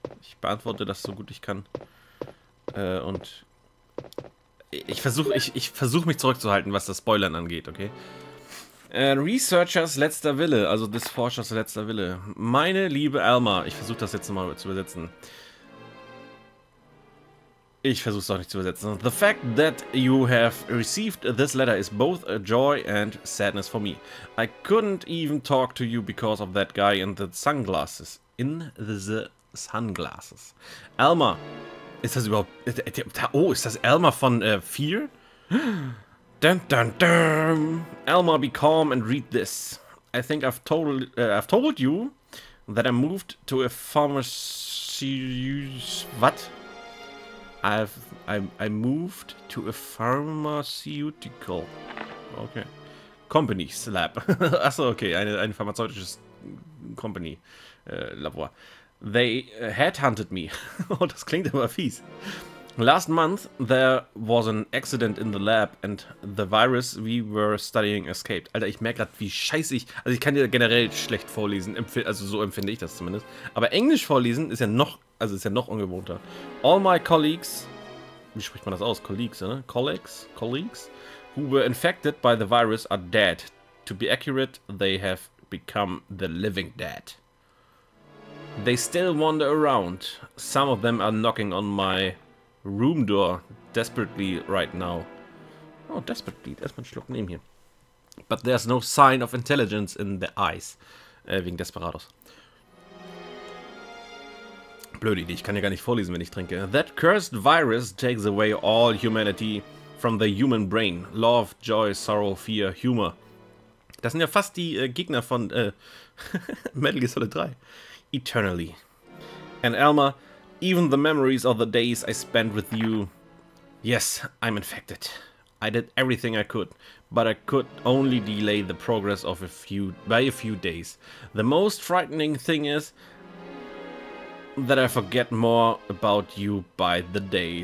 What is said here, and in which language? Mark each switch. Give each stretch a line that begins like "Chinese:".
German: Ich beantworte das so gut ich kann. Und ich versuche mich zurückzuhalten, was das Spoilern angeht, okay? Researchers letzter Wille, also des Forschers letzter Wille. Meine liebe Alma, ich versuche das jetzt mal zu übersetzen. Ich versuche es doch nicht zu übersetzen.
English: The fact that you have received this letter is both a joy and sadness for me. I couldn't even talk to you because of that guy in the sunglasses. In the sunglasses.
German: Alma, ist das überhaupt... Oh, ist das Alma von 4? Dun, dun, dun.
English: Alma, be calm and read this. I think I've told you that I moved to a pharmacy... What? I moved to a pharmaceutical, okay, company lab.
German: Achso, okay, eine pharmazeutisches Company Labor.
English: They headhunted me.
German: Oh, das klingt aber fies.
English: Last month, there was an accident in the lab and the virus we were studying escaped.
German: Alter, ich merke gerade, wie scheiße ich... Also ich kann dir generell schlecht vorlesen, also so empfinde ich das zumindest. Aber Englisch vorlesen ist ja noch, also ist ja noch ungewohnter.
English: All my colleagues...
German: Wie spricht man das aus? Colleagues, ne? Colleagues? Colleagues?
English: Who were infected by the virus are dead. To be accurate, they have become the living dead. They still wander around. Some of them are knocking on my room door desperately right now. Oh, desperately.
German: Erstmal einen Schluck nehmen hier.
English: But there's no sign of intelligence in the eyes.
German: Wegen Desperados. Blöde Idee, ich kann ja gar nicht vorlesen, wenn ich trinke.
English: That cursed virus takes away all humanity from the human brain. Love, joy, sorrow, fear, humor.
German: Das sind ja fast die Gegner von Metal Gear Solid 3.
English: Eternally. And Elmer, even the memories of the days I spent with you. Yes, I'm infected. I did everything I could, but I could only delay the progress of a few days. The most frightening thing is that I forget more about you by the day.